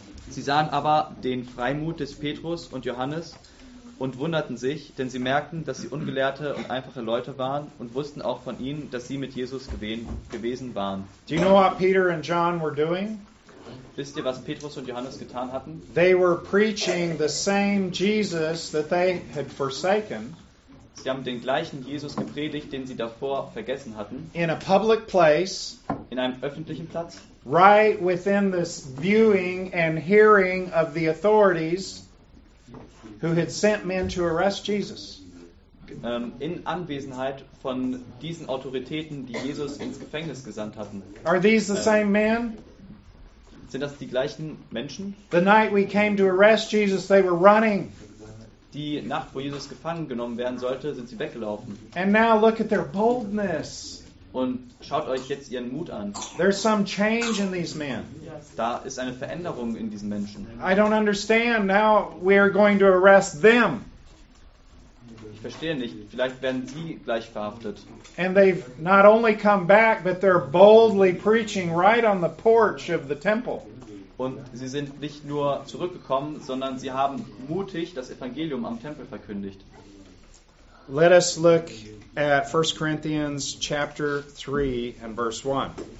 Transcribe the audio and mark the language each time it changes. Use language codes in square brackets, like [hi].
[de] Sie sahen aber den Freimut des Petrus und Johannes und wunderten sich, denn sie merkten, dass sie ungelehrte und einfache Leute waren und wussten auch von ihnen, dass sie mit Jesus gewesen waren. [en] Do you know what Peter and John were doing? [de] Wisst ihr, was Petrus und Johannes getan hatten? [en] They were preaching the same Jesus that they had forsaken. [de] Sie haben den gleichen Jesus gepredigt, den sie davor vergessen hatten. [en] In a public place, [de] in einem öffentlichen Platz, [en] right within this viewing and hearing of the authorities who had sent men to arrest Jesus. [de] In Anwesenheit von diesen Autoritäten, die Jesus ins Gefängnis gesandt hatten. [en] Are these the same men? [de] Sind das die gleichen Menschen? [en] The night we came to arrest Jesus, they were running. [de] Die Nacht, wo Jesus gefangen genommen werden sollte, sind sie weggelaufen. [en] And now look at their boldness. [de] Und schaut euch jetzt ihren Mut an. [en] There's some change in these men. [de] Da ist eine Veränderung in diesen Menschen. [en] I don't understand. Now we are going to arrest them. [de] Ich verstehe nicht. Vielleicht werden sie gleich verhaftet. [en] And they've not only come back, but they're boldly preaching right on the porch of the temple. [de] Und sie sind nicht nur zurückgekommen, sondern sie haben mutig das Evangelium am Tempel verkündigt. [en] Let us look at 1 Corinthians chapter 3 and verse 1.